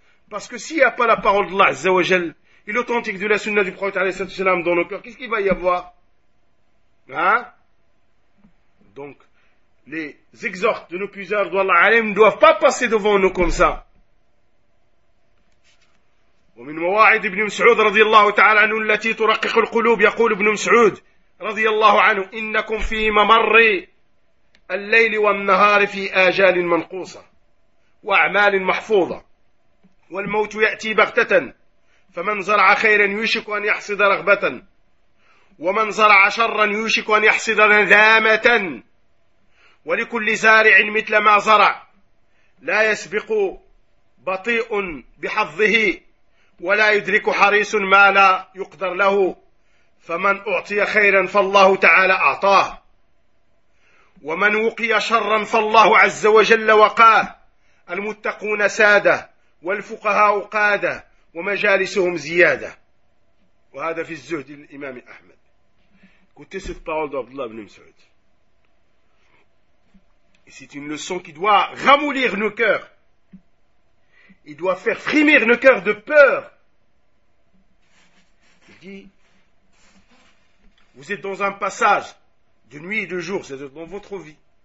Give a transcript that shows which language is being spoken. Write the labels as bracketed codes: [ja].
[fr] Parce que s'il n'y a pas la parole d'Allah Azza wa Jal et l'authentique de la sunna du prophète dans nos cœurs, qu'est-ce qu'il va y avoir? Hein? Donc, les exhortes de nos puiseurs d'Allah ne doivent pas passer devant nous comme ça. [ar] ومن مواعظ ابن مسعود رضي الله تعالى عنه التي ترقق القلوب، يقول ابن مسعود رضي الله عنه: إنكم في ممر الليل والنهار في آجال منقوصة وأعمال محفوظة، والموت يأتي بغتة، فمن زرع خيرا يوشك أن يحصد رغبة، ومن زرع شرا يوشك أن يحصد ندامة، ولكل زارع مثل ما زرع، لا يسبق بطيء بحظه ولا يدرك حريص ما لا يقدر له، فمن أعطي خيرا فالله تعالى أعطاه، ومن وقي شرا فالله عز وجل وقاه، المتقون سادة والفقهاء قادة ومجالسهم زيادة. وهذا في الزهد للإمام أحمد. كنت سيد باولد عبد الله بن مسعود. [fr] C'est une leçon qui doit ramollir nos cœurs. Il doit faire frémir nos cœurs de peur. Il dit, vous êtes dans un passage de nuit et de jour, c'est-à-dire dans votre vie.